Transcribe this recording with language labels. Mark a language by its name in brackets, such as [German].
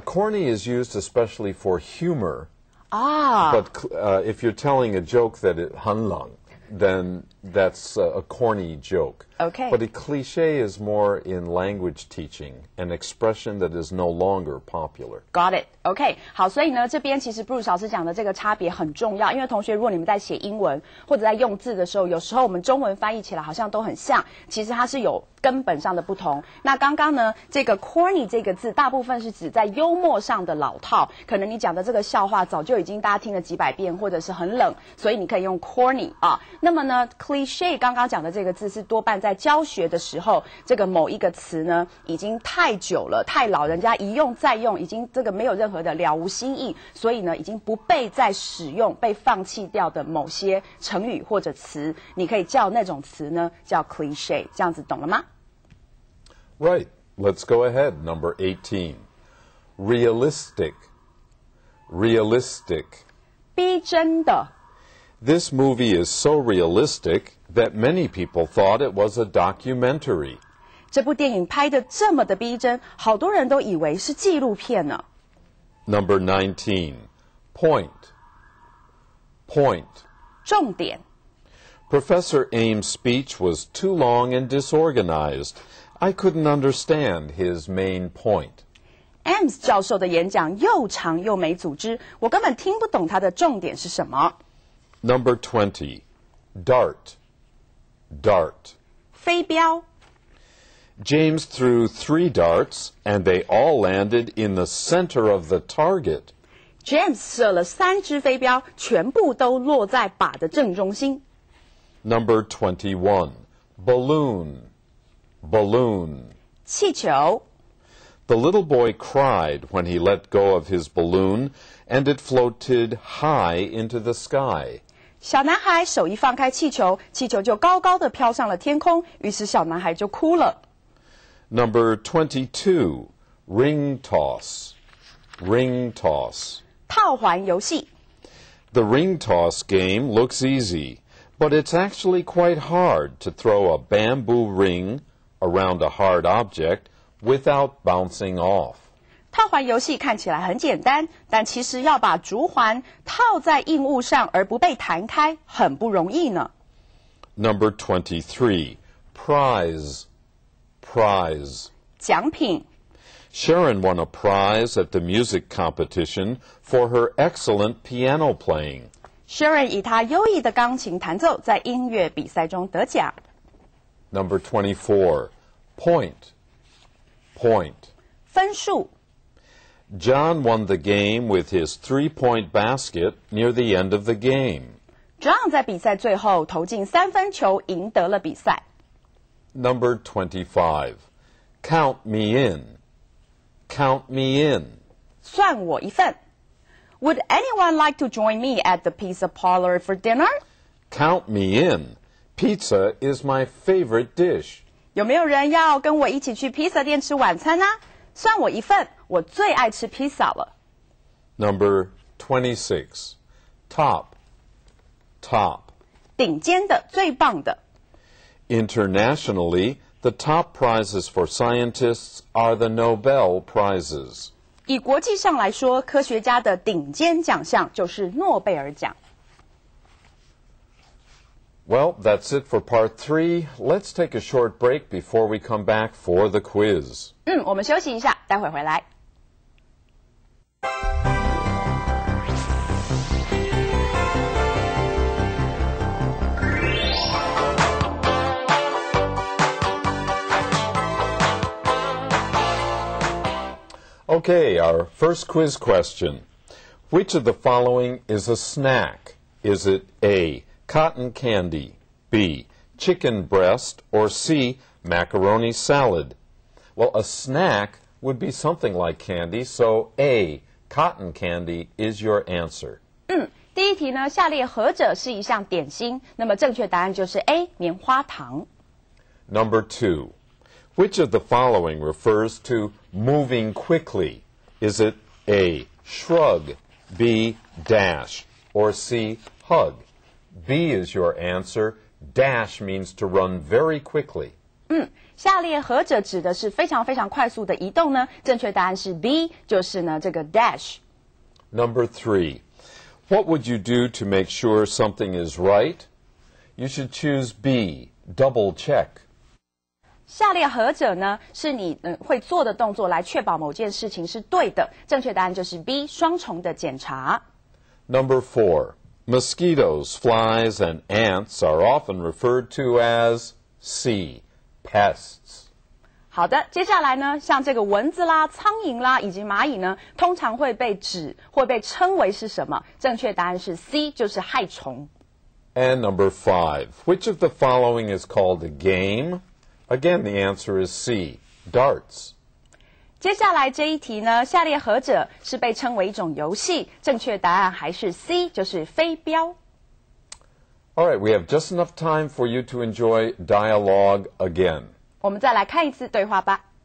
[English] Corny is used especially for humor. Ah. But if you're telling a joke that it hanlang, then that's a corny joke. Okay. But a cliché is more in language teaching, an expression that is no longer popular. Got it. Okay. [Chinese] 好，所以呢，这边其实 Bruce 老师讲的这个差别很重要，因为同学，如果你们在写英文或者在用字的时候，有时候我们中文翻译起来好像都很像，其实它是有根本上的不同。那刚刚呢，这个 corny 这个字，大部分是指在幽默上的老套，可能你讲的这个笑话早就已经大家听了几百遍，或者是很冷，所以你可以用 corny 啊。那么呢？ cliché 刚刚讲的这个字是多半在教学的时候，这个某一个词呢已经太久了，太老，人家一用再用，已经这个没有任何的了无新意，所以呢已经不被再使用，被放弃掉的某些成语或者词，你可以叫那种词呢叫 cliché， 这样子懂了吗？ [English] Right, let's go ahead. Number 18, realistic, realistic, [Chinese] 逼真的。 [English] This movie is so realistic that many people thought it was a documentary. [Chinese] 这部电影拍得这么的逼真，好多人都以为是纪录片呢。 [English] Number 19, point, point. [Chinese] 重点。 [English] Professor Ames' speech was too long and disorganized. I couldn't understand his main point. [Chinese] Ames 教授的演讲又长又没组织，我根本听不懂他的重点是什么。 [English] Number 20, dart, dart. [Chinese] 飞镖。 [English] James threw three darts, and they all landed in the center of the target. [Chinese] James 射了三支飞镖，全部都落在靶的正中心。 [English] Number 21, balloon, balloon. [Chinese] 气球。 [English] The little boy cried when he let go of his balloon, and it floated high into the sky. [Chinese] 小男孩手一放开气球，气球就高高的飘上了天空，于是小男孩就哭了。 [English] Number 22, ring toss, ring toss. [Chinese] 套环游戏。 [English] The ring toss game looks easy, but it's actually quite hard to throw a bamboo ring around a hard object without bouncing off. [Chinese] 套环游戏看起来很简单，但其实要把竹环套在硬物上而不被弹开，很不容易呢。 [English] Number 23, prize, prize. [Chinese] 奖品。 [English] Sharon won a prize at the music competition for her excellent piano playing. [Chinese] Sharon 以她优异的钢琴弹奏在音乐比赛中得奖。 [English] Number 24, point, point. [Chinese] 分数。 [English] John won the game with his three-point basket near the end of the game. [Chinese] John 在比赛最后投进三分球，赢得了比赛。 [English] Number 25, count me in. Count me in. [Chinese] 算我一份。 [English] Would anyone like to join me at the pizza parlor for dinner? Count me in. Pizza is my favorite dish. [Chinese] 有没有人要跟我一起去披萨店吃晚餐呢？算我一份，我最爱吃披萨了。 [English] Number 26, top, top. [Chinese] 顶尖的，最棒的。 [English] Internationally, the top prizes for scientists are the Nobel Prizes. [Chinese] 以国际上来说，科学家的顶尖奖项就是诺贝尔奖。 [English] Well, that's it for part three. Let's take a short break before we come back for the quiz. [Chinese] 嗯，我们休息一下，待会回来。 [English] Okay, our first quiz question. Which of the following is a snack? Is it A, cotton candy, B, chicken breast, or C, macaroni salad? Well, a snack would be something like candy, so A, cotton candy is your answer. [Chinese] 第一题呢，下列何者是一项点心？那么正确答案就是 A, 棉花糖。 [English] Number two, which of the following refers to moving quickly? Is it A, shrug, B, dash, or C, hug? B is your answer. Dash means to run very quickly. [Chinese] 下列何者指的是非常非常快速的移动呢？正确答案是 B, 就是呢这个 dash. [English] Number three, what would you do to make sure something is right? You should choose B, double check. [Chinese] 下列何者呢是你会做的动作来确保某件事情是对的正确答案就是 B 双重的检查 [English] Number four, mosquitoes, flies, and ants are often referred to as C, pests [Chinese] 好的接下来呢像这个蚊子啦苍蝇啦以及蚂蚁呢通常会被指或被称为是什么正确答案是 C 就是害虫 [English] And number five, which of the following is called a gameAgain, the answer is C, darts. [Chinese] 接下来这一题呢，下列何者是被称为一种游戏？正确答案还是 C, 就是飞镖。 [English] All right, we have just enough time for you to enjoy dialogue again. [Chinese] 我们再来看一次对话吧。